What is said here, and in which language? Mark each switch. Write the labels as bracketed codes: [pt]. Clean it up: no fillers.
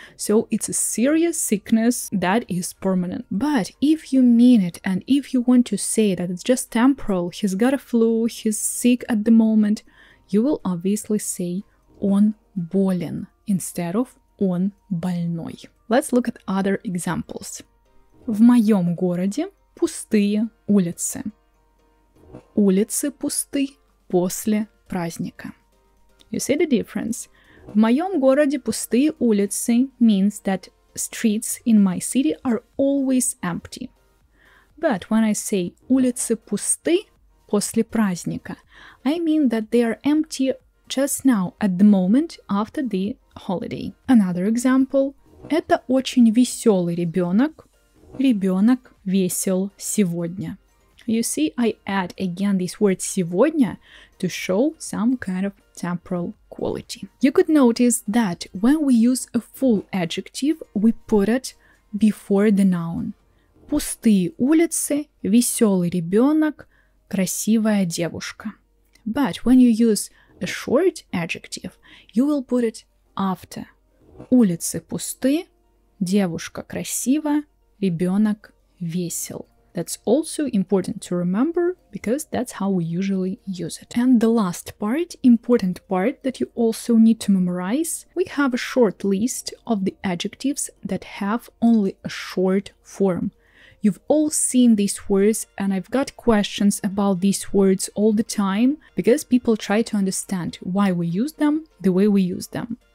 [en] So it's a serious sickness that is permanent. But if you mean it, and if you want to say that it's just temporal, he's got a flu, he's sick at the moment, you will obviously say [ru] он болен [en] instead of [ru] он больной. [en] Let's look at other examples. [ru] В моем городе пустые улицы. Улицы пусты после праздника. [en] You see the difference? [ru] В моем городе пустые улицы [en] means that streets in my city are always empty. But when I say [ru] улицы пусты после праздника, [en] I mean that they are empty just now, at the moment, after the holiday. Another example. [ru] Это очень веселый ребенок. Ребенок весел сегодня. [en] You see, I add again this word сегодня to show some kind of temporal quality. You could notice that when we use a full adjective, we put it before the noun. [ru] Пустые улицы, веселый ребенок, красивая девушка. [en] But when you use a short adjective, you will put it after. [ru] Улицы пусты, девушка красива, ребенок весел. [en] That's also important to remember, because that's how we usually use it. And the last part, important part that you also need to memorize, we have a short list of the adjectives that have only a short form. You've all seen these words, and I've got questions about these words all the time, because people try to understand why we use them the way we use them.